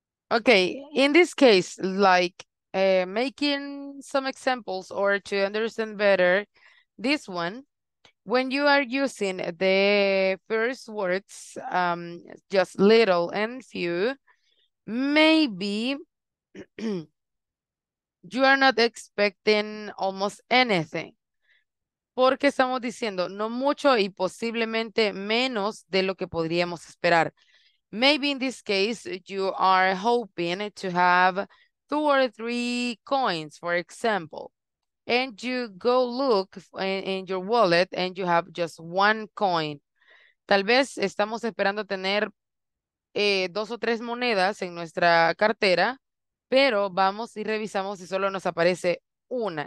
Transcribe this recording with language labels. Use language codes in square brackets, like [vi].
[en] Okay, in this case, like making some examples or to understand better this one, when you are using the first words, just little and few, maybe you are not expecting almost anything. [es] Porque estamos diciendo no mucho y posiblemente menos de lo que podríamos esperar. [en] Maybe in this case, you are hoping to have two or three coins, for example. And you go look in your wallet and you have just one coin. [es] Tal vez estamos esperando tener dos o tres monedas en nuestra cartera, pero vamos y revisamos y solo nos aparece una.